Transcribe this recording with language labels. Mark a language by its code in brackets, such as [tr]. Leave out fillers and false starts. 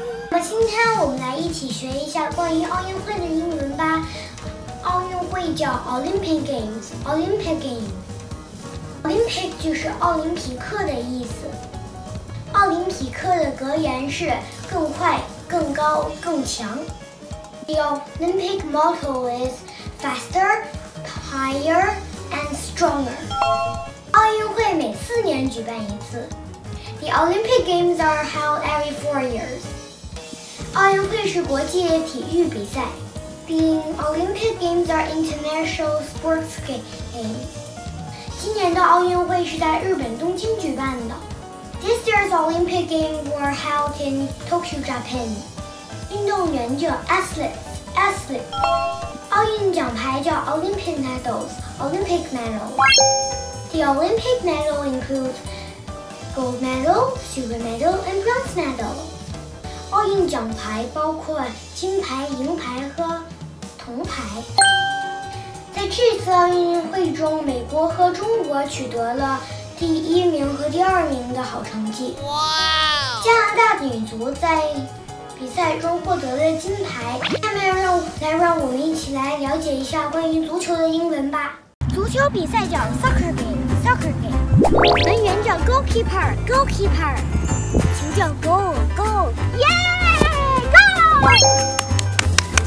[zh] 那么今天我们来一起学一下关于奥运会的英文吧。奥运会叫 [en] Olympic Games， Olympic Games， [zh] Olympic 就是奥林匹克的意思。奥林匹克的格言是更快、更高、更强。 [en] The Olympic motto is faster, higher, and stronger. [zh] 奥运会每四年举办一次。 [en] The Olympic Games are held every 4 years. [zh] 奥运会是国际体育比赛。 [en] The Olympic Games are international sports games. [zh] 今年的奥运会是在日本东京举办的。 [en] This year's Olympic Games were held in Tokyo, Japan. [zh] 运动员叫 athletes， 奥运奖牌叫 [en] Olympic medals， Olympic medals。 The Olympic medal includes gold medal， silver medal， and bronze medal。 [zh] 奥运奖牌包括金牌、银牌和铜牌。在这次奥运会中，美国和中国取得了第一名和第二名的好成绩。哇、wow. ！加拿大女足在比赛中获得了金牌。下面让我们一起来了解一下关于足球的英文吧。足球比赛叫 [en] soccer game， [zh] 门员叫 goalkeeper， 球叫 [en] goal， yeah， goal。